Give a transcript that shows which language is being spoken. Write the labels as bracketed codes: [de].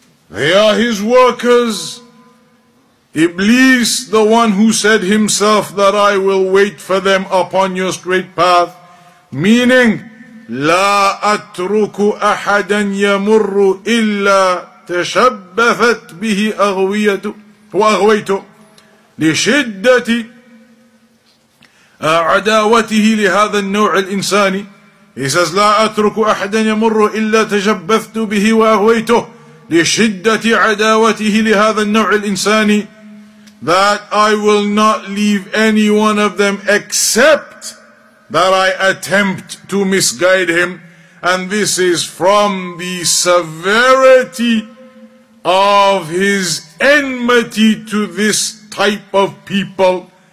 [en] They are his workers. Iblis, the one who said himself that I will wait for them upon your straight path, meaning [ar] لا أترك أحدا يمر إلا تشبثت به أغويته لشدة عداوته لهذا النوع الإنساني. [en] He says, [ar] لا أترك أحدا يمر إلا تشبثت به وأغويته لشدة عداوته لهذا النوع الإنساني. [en] That I will not leave any one of them except that I attempt to misguide him. And this is from the severity of his enmity to this type of people.